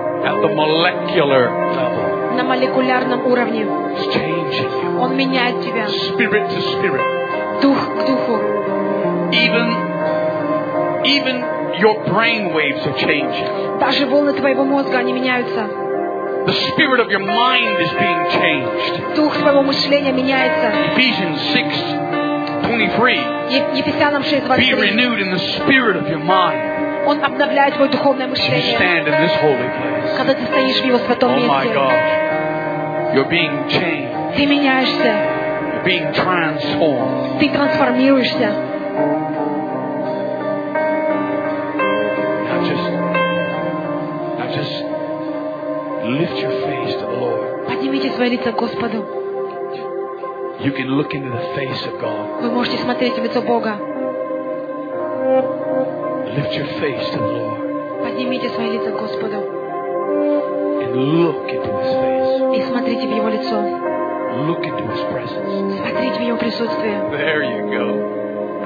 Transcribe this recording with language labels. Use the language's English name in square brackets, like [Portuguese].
[English] At the molecular level. [Russian] На молекулярном уровне. [English] He's changing you. [Russian] Он меняет тебя. [English] Spirit to spirit. [Russian] Дух к духу. [English] Even your brain waves are changing. [Russian] Даже волны твоего мозга они меняются. [English] The spirit of your mind is being changed. [Russian] Дух твоего мышления меняется. [English] Ephesians 6:23. Be renewed in the spirit of your mind. [Russian] Он обновляет твое духовное мышление. [English] You stand in this holy place. [Russian] Когда ты стоишь в его святом месте. [English] Oh my God. You're being changed. [Russian] Ты меняешься. [English] You're being transformed. [Russian] Ты трансформируешься. [English] Now just lift your face to the Lord. [Russian] Поднимите свое лицо к Господу. [English] You can look into the face of God. [Russian] Вы можете смотреть в лицо Бога. [English] Lift your face to the Lord. [Russian] Поднимите свое лицо к Господу. [English] And look into His face. [Russian] И смотрите в Его лицо. [English] Look into His presence. [Russian] Смотрите в Его присутствие. [English] There you go.